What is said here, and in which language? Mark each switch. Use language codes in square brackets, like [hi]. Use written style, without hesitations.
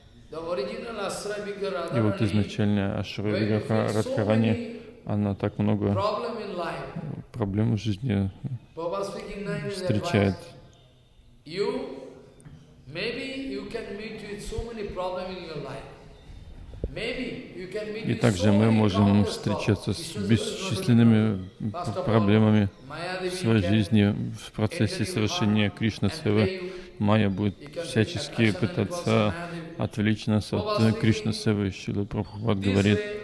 [ru] И вот изначально Ашрая Радхарани, она так много проблем в жизни встречает. [en] You, maybe you can meet with so many problems in your life. Maybe you can meet with so many problems. [ru] И также мы можем встречаться с бесчисленными проблемами в своей жизни в процессе совершения Кришна-севы. Майя будет всячески пытаться отвлечь нас от Кришна-севы. Шрила Прабхупада говорит.